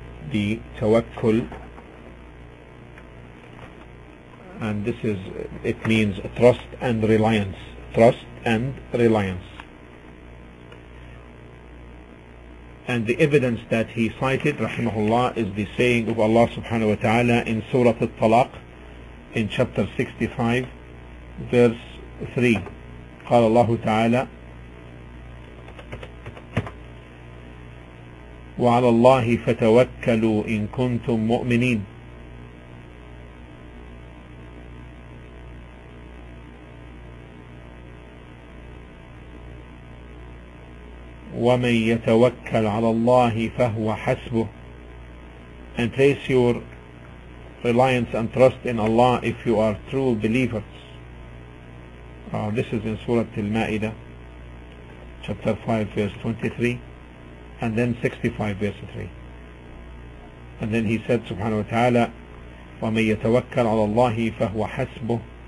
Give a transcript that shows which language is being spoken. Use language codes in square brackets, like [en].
[en] The Tawakkul, and this is, it means trust and reliance, trust and reliance. And the evidence that he cited, rahimahullah, is the saying of Allah subhanahu wa ta'ala in Surah Al-Talaq, in chapter 65, verse 3. [ar] قال الله تعالى وعلى الله فتوكلوا إن كنتم مؤمنين. ومن يتوكل على الله فهو حسبه. [en] And place your reliance and trust in Allah if you are true believers. This is in Surah Al-Ma'idah, chapter 5, verse 23. And then 65 verse 3. And then he said, subhanahu wa ta'ala, [ar] وَمَنْ يَتَوَكَّلْ عَلَى اللَّهِ فَهُوَ حَسْبُهُ.